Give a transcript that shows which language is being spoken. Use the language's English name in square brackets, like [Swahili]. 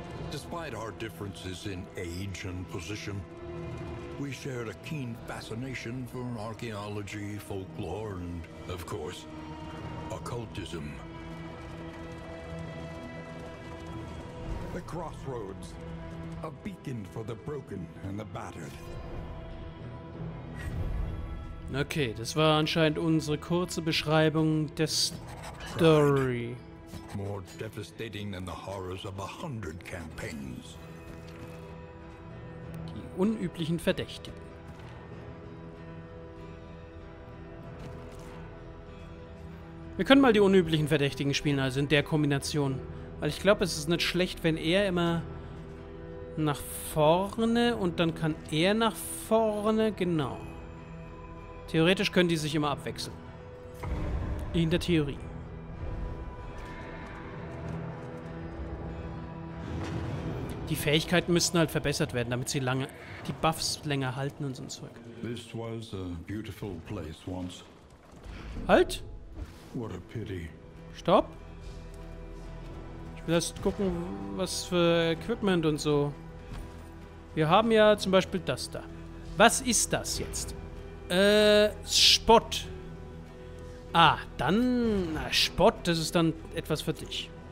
[English] Despite our differences in age and position, we shared a keen fascination for archaeology, folklore, and, of course, occultism. The crossroads, a beacon for the broken and the battered. [German] Okay, das war anscheinend unsere kurze Beschreibung der Story. [English] More devastating than the horrors of 100 campaigns. [German] Die unüblichen Verdächtigen. Wir können mal die unüblichen Verdächtigen spielen, also in der Kombination. Weil ich glaube, es ist nicht schlecht, wenn er immer nach vorne und dann kann er nach vorne, genau. Theoretisch können die sich immer abwechseln. In der Theorie. Die Fähigkeiten müssten halt verbessert werden, damit sie lange die Buffs länger halten und so ein Zeug. [English] This was a beautiful place once. [German] Halt! [English] What a pity. [German] Stopp! Ich will erst gucken, was für Equipment und so. Wir haben ja zum Beispiel das da. Was ist das jetzt? Spott. Ah, dann. Na, Spott, das ist dann etwas für dich.